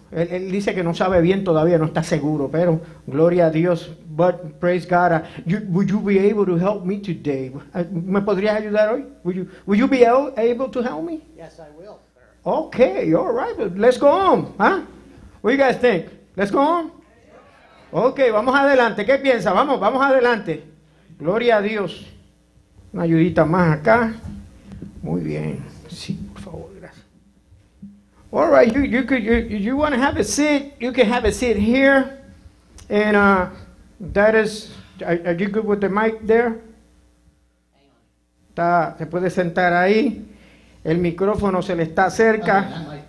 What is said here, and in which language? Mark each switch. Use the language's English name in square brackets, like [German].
[Spanish] Él dice que no sabe bien todavía, no está seguro, pero gloria a Dios. [English] But praise God. Would you be able to help me today? [Spanish] ¿Me podrías ayudar hoy? [English] Would you be able to help me? Yes, I will, sir. Okay, all right. Let's go on, huh? What do you guys think? Let's go on. [Spanish] Okay, vamos adelante. ¿Qué piensa? Vamos adelante. Gloria a Dios. Una ayudita más acá. Muy bien. Sí. [English] All right, you want to have a seat, you can have a seat here, and that is, are you good with the mic there? [Spanish] Está, se puede sentar ahí, el micrófono se le está cerca.